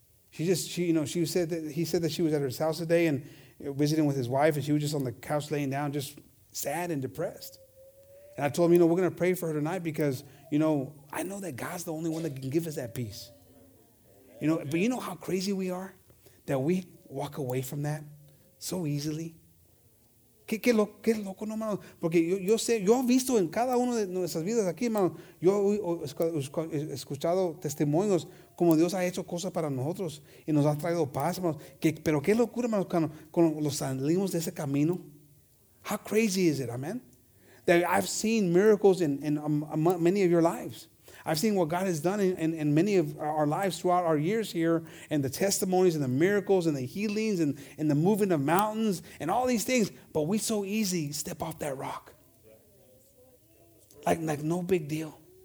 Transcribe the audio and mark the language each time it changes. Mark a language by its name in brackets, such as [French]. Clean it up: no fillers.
[English] He said that she was at her house today and visiting with his wife, and she was just on the couch laying down, just sad and depressed. And I told him, you know, we're going to pray for her tonight because, you know, I know that God's the only one that can give us that peace. You know, but you know how crazy we are that we walk away from that so easily? [Spanish] Qué loco, no, hermano. Porque yo sé, yo he visto en cada una de nuestras vidas aquí, hermano, yo he escuchado testimonios como Dios ha hecho cosas para nosotros y nos ha traído paz, hermano. Pero qué locura, hermano, cuando salimos de ese camino. [English] How crazy is it, amen? That I've seen miracles in many of your lives. I've seen what God has done in many of our lives throughout our years here, and the testimonies and the miracles and the healings and the moving of mountains and all these things. But we so easy step off that rock. Like no big deal.